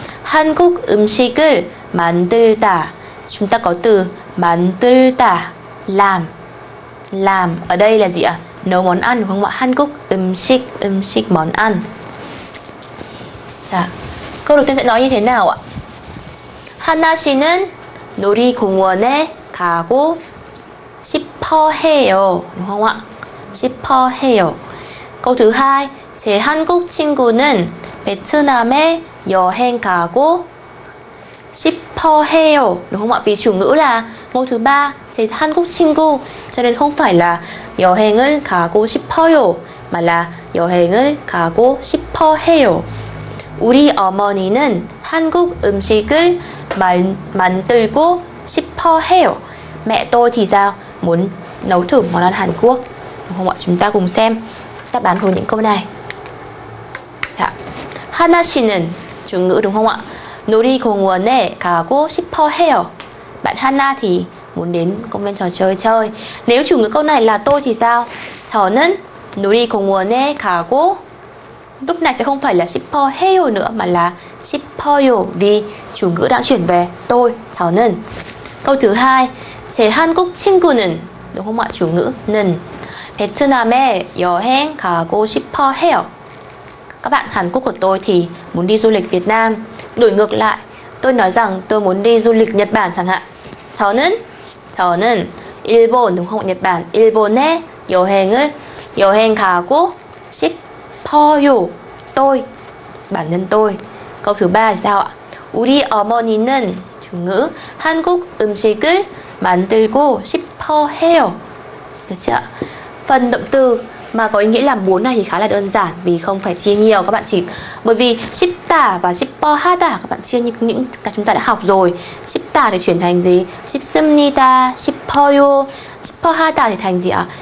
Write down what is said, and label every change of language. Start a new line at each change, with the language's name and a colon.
Korean: 한국 음식을 만들다.
Vietnamese: Chúng ta có từ 만들다. Làm. Làm ở đây là gì ạ? Nấu món ăn đúng không ạ?
Korean: 한국 음식. 음식
Vietnamese: món ăn. Dạ. Câu đầu tiên sẽ nói như thế nào ạ?
Korean: 하나 씨는 놀이공원에 가고 싶어 해요.
Vietnamese: Đúng không ạ? 싶어 해요. Câu thứ hai,
Korean: 제 한국 친구는 베트남에 여행 가고 싶어 해요.
Vietnamese: Đúng không ạ? Vì chủ ngữ là Câu thứ ba,
Korean: 제 한국 친구, 저는
Vietnamese: không phải là
Korean: 여행을 가고 싶어요,
Vietnamese: mà là
Korean: 여행을 가고 싶어 해요. 우리 어머니는 한국 음식을 만들고 싶어 해요.
Vietnamese: Mẹ tôi thì sao? Muốn nấu thử món ăn Hàn Quốc. Đúng không ạ? Chúng ta cùng xem đáp án của những câu này.
Korean: 자, 하나 씨는 중국
Vietnamese: đúng không ạ?
Korean: 놀이공원에 가고 싶어 해요.
Vietnamese: Bạn Hana thì muốn đến công viên trò chơi chơi. Nếu chủ ngữ câu này là tôi thì sao?
Korean: 저는 놀이공원에 가고.
Vietnamese: Lúc này sẽ không phải là 싶어 해요 nữa, mà là 싶어요, vì chủ ngữ đã chuyển về tôi, 저는. Câu thứ hai,
Korean: 제 한국 친구는,
Vietnamese: đúng không ạ? Chủ ngữ
Korean: 는, 베트남에 여행 가고 싶어 해요.
Vietnamese: Các bạn, Hàn Quốc của tôi thì muốn đi du lịch Việt Nam. Đổi ngược lại, tôi nói rằng tôi muốn đi du lịch Nhật Bản chẳng hạn.
Korean: 저는 일본,
Vietnamese: đúng không? Nhật Bản.
Korean: 일본에 여행 가고 싶어요.
Vietnamese: Tôi, bản thân tôi. Câu thứ ba là sao ạ?
Korean: 우리 어머니는
Vietnamese: chủ ngữ
Korean: 한국 음식을 만들고 싶어 해요.
Vietnamese: Được chưa? Phần động từ mà có ý nghĩa là muốn này thì khá là đơn giản vì không phải chia nhiều, các bạn chỉ bởi vì ship tả và ship po ha tả các bạn chia như những cái chúng ta đã học rồi. Ship tả thì chuyển thành gì? Ship sim ni ta, ship po yo, ship po ha tả thì thành gì ạ?